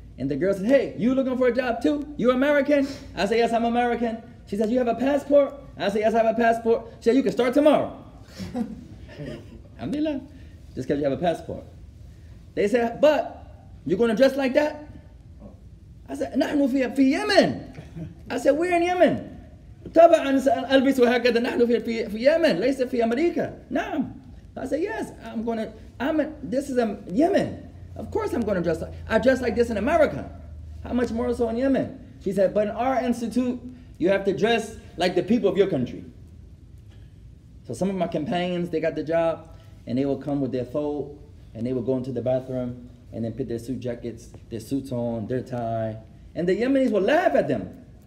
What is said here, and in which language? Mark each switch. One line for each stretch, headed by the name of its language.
English: And the girl said, hey, you looking for a job too? You American? I said, yes, I'm American. She says, you have a passport? I said, yes, I have a passport. She said, you can start tomorrow. Alhamdulillah. Just because you have a passport. They said, but you're going to dress like that? I said,
Arabic: نحن في يمن.
English: I said, we're in Yemen.
Arabic: طبعا ألبس وهكذا نحن في يمن ليس في أمريكا. نعم.
English: I said, yes, Yemen. Of course I'm going to dress like, I dress like this in America. How much more so in Yemen? She said, but in our institute, you have to dress like the people of your country. So some of my companions, they got the job, and they will come with their thobe, and they will go into the bathroom, and then put their suit jackets, their suits on, their tie, and the Yemenis will laugh at them.